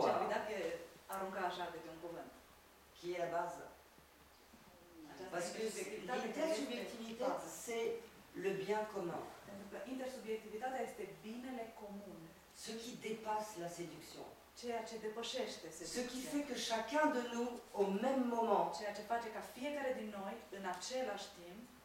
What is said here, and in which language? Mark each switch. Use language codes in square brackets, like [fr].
[ro] Chimida arunca așa de pe un cuvânt. [fr] Qui est la base. Parce que l'intersubjectivité, c'est le bien commun. [ro] Intersubjectivitatea este binele comun. [fr] Ce qui dépasse la séduction. [ro] Ceea ce depășește seducția. [fr] Ce qui fait que chacun de nous, au même moment, [ro] ceea ce face ca fiecare din noi, în același timp,